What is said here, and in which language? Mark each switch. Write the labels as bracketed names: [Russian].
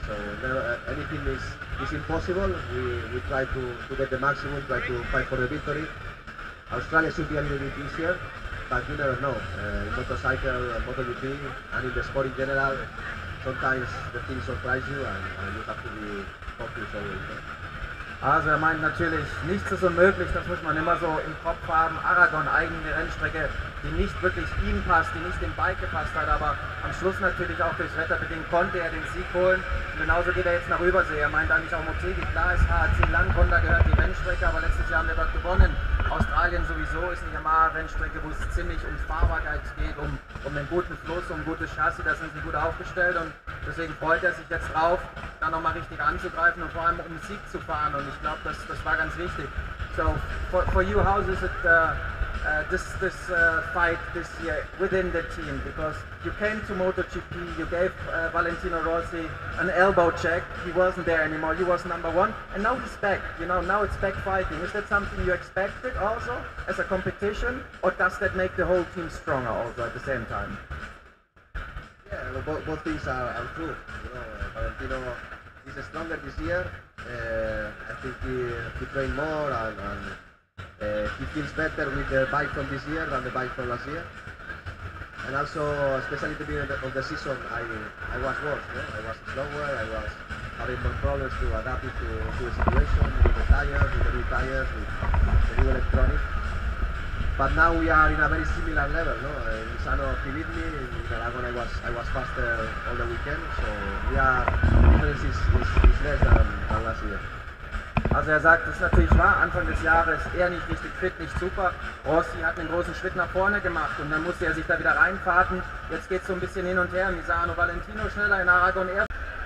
[English] So anything is impossible. We try to get the maximum, try to fight for the victory. Australia should be a little bit easier. But you never know. In motorcycle, MotoGP, and in the sport in general, sometimes the things surprise you, and you have to be focused always. Right? [German] Also er meint natürlich, nichts ist unmöglich, das muss man immer so im Kopf haben. Aragon, eigene Rennstrecke, die nicht wirklich ihm passt, die nicht dem Bike gepasst hat, aber am Schluss natürlich auch durchs Wetter bedingt konnte er den Sieg holen. Und genauso geht er jetzt nach Übersee. Er meint eigentlich auch Motegi, klar ist HAC Land, Honda gehört die Rennstrecke, aber letztes Jahr haben wir dort gewonnen. Australien sowieso ist eine Yamaha-Rennstrecke, wo es ziemlich um Fahrbarkeit geht, um einen guten Fluss, um ein gutes Chassis, da sind sie gut aufgestellt, und deswegen freut er sich jetzt drauf, da nochmal richtig anzugreifen und vor allem um Sieg zu fahren, und ich glaube, das war ganz wichtig. [English] So, for you, how is it this fight this year within the team? Because you came to MotoGP, you gave Valentino Rossi an elbow check, he wasn't there anymore, he was number one, and now he's back, you know, now it's back fighting. Is that something you expected also as a competition, or does that make the whole team stronger also at the same time? Yeah, both things are true. You know, Valentino is stronger this year. I think he trained more, and he feels better with the bike from this year than the bike from last year. And also, especially at the beginning of the season, I was worse. You know? I was slower, I was having more problems to adapt to the situation, with the tires, with the new electronics. But now we are in a very similar level, no? Misano beat me, in Aragona I was faster all the weekend, so yeah, the difference is less than last year. [German] Also er sagt, das ist natürlich wahr, Anfang des Jahres eher nicht richtig fit, nicht super. Rossi hat einen großen Schritt nach vorne gemacht und dann musste er sich da wieder reinfahren. Jetzt geht es so ein bisschen hin und her, Misano Valentino schneller, in Aragon erst.